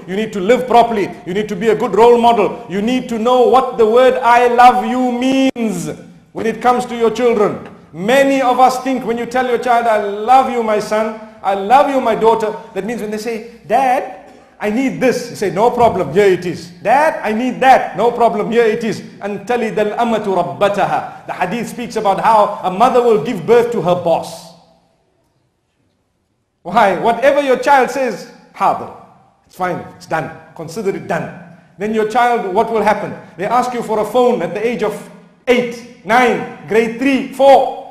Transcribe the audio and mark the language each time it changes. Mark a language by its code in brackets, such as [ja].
[en] You need to live properly. You need to be a good role model. You need to know what the word I love you means when it comes to your children. Many of us think when you tell your child, I love you, my son, I love you, my daughter, that means when they say, Dad, I need this. You say, no problem, here it is. Dad, I need that. No problem, here it is. [ar] And تلد الأمة ربتها. [en] The hadith speaks about how a mother will give birth to her boss. Why? Whatever your child says, حاضر. It's fine, it's done. Consider it done. Then your child, what will happen? They ask you for a phone at the age of 8, 9, grade 3, 4.